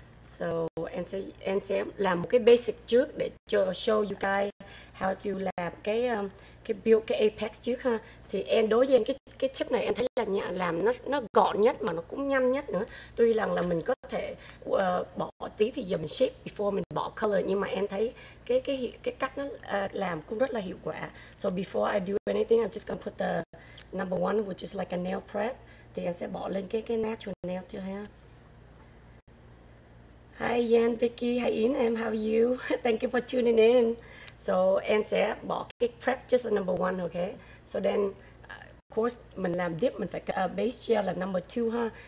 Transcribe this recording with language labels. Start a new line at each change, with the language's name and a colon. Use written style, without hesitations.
Vietnamese: So em sẽ làm một cái basic trước để cho
English: show you guys how to
Vietnamese: làm cái build cái apex trước ha. Thì em đối với em cái tip này em thấy là nhẹ, làm nó gọn nhất mà nó cũng nhanh nhất nữa. Tuy rằng là mình có thể bỏ tí thì giờ mình shape before mình bỏ color, nhưng mà em thấy cái cách nó làm cũng rất là hiệu quả.
English: So before I do anything, I'm just gonna put the number one, which is like a nail prep.
Vietnamese: Thì em sẽ bỏ lên cái natural nail chưa ha.
English: Hi Yan, Vicky, hi Yin, em, how are you? Thank you for tuning in.
Vietnamese: So em sẽ bỏ cái prep just là
English: number one, okay? So then, of course,
Vietnamese: mình làm dip, mình phải base gel là number two ha.